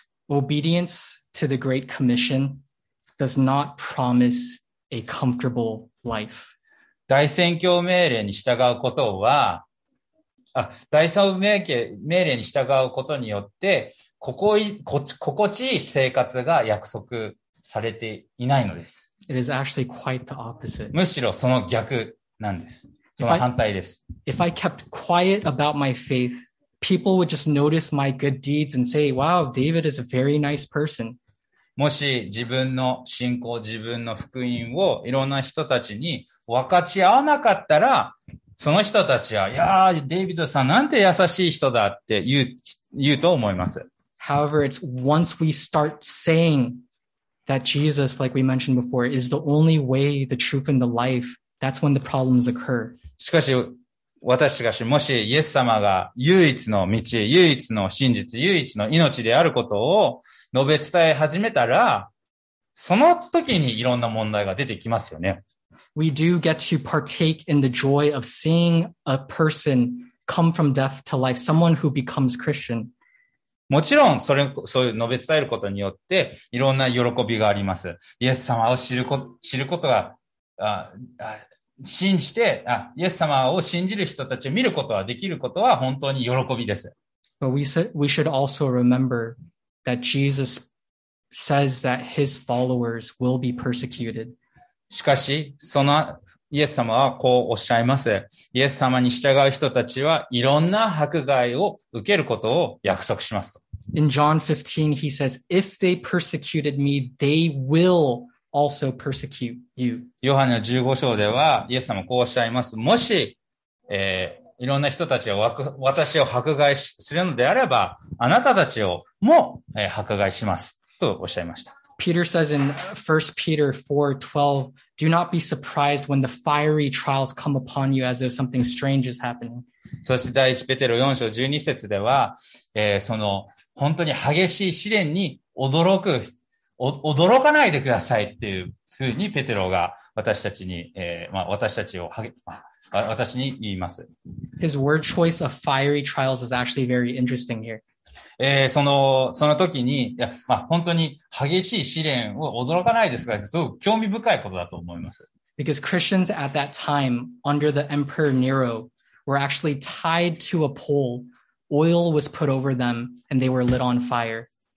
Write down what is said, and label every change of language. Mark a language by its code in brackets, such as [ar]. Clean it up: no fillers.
[en] Obedience to the Great Commission does not promise a comfortable life. [ja] 大宣教命令に従うことは、大宣教命令に従うことによって、心地いい生活が約束されていないのです。 [en] It is actually quite the opposite. [ja] むしろその逆なんです。その反対です。 [en] If I kept quiet about my faith, people would just notice my good deeds and say, wow, David is a very nice person. [ja] もし自分の信仰、自分の福音をいろんな人たちに分かち合わなかったら、その人たちは、いやー、デイビッドさんなんて優しい人だって言うと思います。 [en] However, it's once we start saying that Jesus, like we mentioned before, is the only way, the truth, and the life, that's when the problems occur. [ja] しかし、私がし、もしイエス様が唯一の道、唯一の真実、唯一の命であることを述べ伝え始めたら、その時にいろんな問題が出てきますよね。 [en] We do get to partake in the joy of seeing a person come from death to life, someone who becomes Christian. [ja] もちろん、そういう述べ伝えることによって、いろんな喜びがあります。イエス様を知ることが、信じて、イエス様を信じる人たちを見ることはできることは本当に喜びです。 [en] But we should also remember that Jesus says that his followers will be persecuted. [ja] しかし、そのイエス様はこうおっしゃいます。イエス様に従う人たちはいろんな迫害を受けることを約束しますと。 [en] In John 15, he says, if they persecuted me, they will also persecute you. [ja] ヨハネの15章ではイエス様こうおっしゃいます。もし、いろんな人たちが私を迫害するのであれば、あなたたちをも、迫害しますとおっしゃいました。 [en] Peter says in 1 Peter 4:12, do not be surprised when the fiery trials come upon you as though something strange is happening. [ja] そして第1ペテロ4章12節では、その本当に激しい試練に驚かないでくださいっていうふうにペテロが私たちに、私に言います。 [en] His word choice of fiery trials is actually very interesting here. [ja] その時に、いや、まあ、本当に激しい試練を驚かないですが、すごく興味深いことだと思います。 [en] Because Christians at that time, under the Emperor Nero, were actually tied to a pole. Oil was put over them, and they were lit on fire.